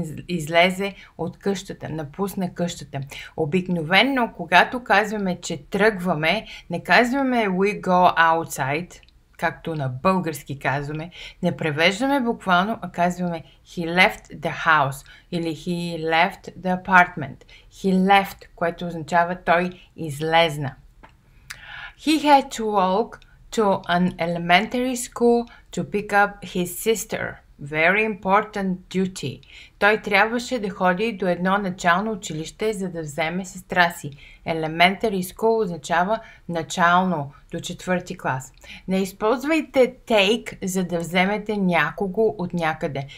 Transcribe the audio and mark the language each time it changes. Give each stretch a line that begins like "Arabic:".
Bulgarian: Излезе от къщата, напусна къщата. Обикновено, когато казваме, че тръгваме, не казваме
English: we go outside,
Bulgarian: както на български казваме, не превеждаме буквално, а казваме
English: he left the house
Bulgarian: или
English: he left the apartment. He left,
Bulgarian: което означава той излезна.
English: He had to walk to an elementary school to pick up his sister. Very important duty.
Bulgarian: Той трябваше да ходи до едно начално училище, за да вземе сестра си.
English: Elementary school
Bulgarian: означава начално, до четвърти клас. Не използвайте take, за да вземете някого от някъде.